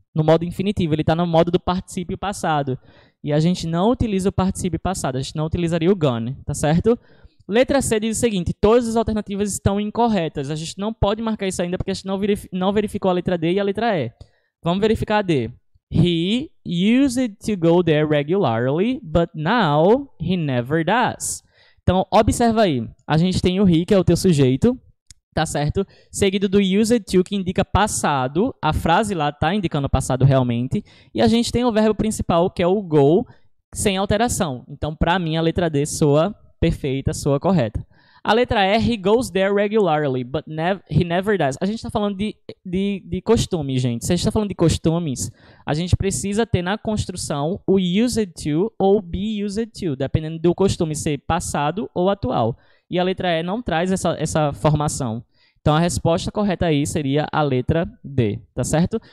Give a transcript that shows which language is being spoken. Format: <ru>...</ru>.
<pt>No modo infinitivo, ele está no modo do particípio passado. E a gente não utiliza o particípio passado, a gente não utilizaria o gone, tá certo? Letra C diz o seguinte: todas as alternativas estão incorretas. A gente não pode marcar isso ainda porque a gente não verificou a letra D e a letra E. Vamos verificar a D.</pt> <en>He used to go there regularly, but now he never does.</en> <pt>Então, observa aí. A gente tem o he, que é o teu sujeito, tá certo? Seguido do used to, que indica passado. A frase lá tá indicando passado realmente. E a gente tem o verbo principal, que é o go, sem alteração. Então, pra mim, a letra D soa perfeita, soa correta. A letra R,</pt> <en>he goes there regularly, but he never does.</en> <pt>A gente está falando de costume, gente. Se a gente está falando de costumes, a gente precisa ter na construção o used to ou be used to, dependendo do costume ser passado ou atual. E a letra E não traz essa formação. Então, a resposta correta aí seria a letra D, tá certo?</pt>